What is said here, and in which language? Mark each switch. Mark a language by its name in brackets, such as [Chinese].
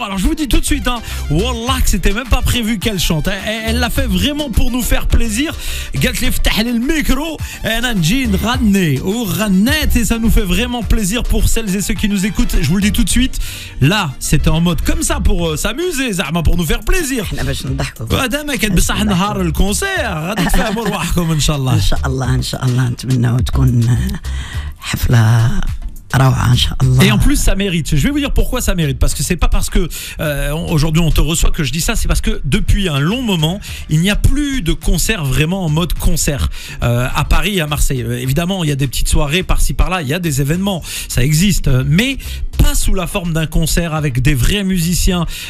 [French] Alors je vous dis tout de suite, wallah que c'était même pas prévu qu'elle chante. Elle l'a fait vraiment pour nous faire plaisir. [Arabic] قالت لي افتح لي الميكرو انا نجي نغني وغنيت [French] et ça nous fait vraiment plaisir pour celles et ceux qui nous écoutent. Je vous le dis tout de suite, là c'était en mode comme ça pour s'amuser زعما pour nous faire plaisir. [Arabic] احنا باش نضحكوا مادام كان بصح نهار الكونسير غادي تفهموا رواحكم ان شاء الله. ان شاء الله ان شاء الله نتمنوا تكون حفلة روعة إن شاء الله. [French] Et en plus ça mérite. Je vais vous dire pourquoi ça mérite. Parce que c'est pas parce que aujourd'hui on te reçoit que je dis ça. C'est parce que depuis un long moment il n'y a plus de concert vraiment en mode concert à Paris et à Marseille. Évidemment il y a des petites soirées par-ci par-là. Il y a des événements, ça existe, mais pas sous la forme d'un concert avec des vrais musiciens.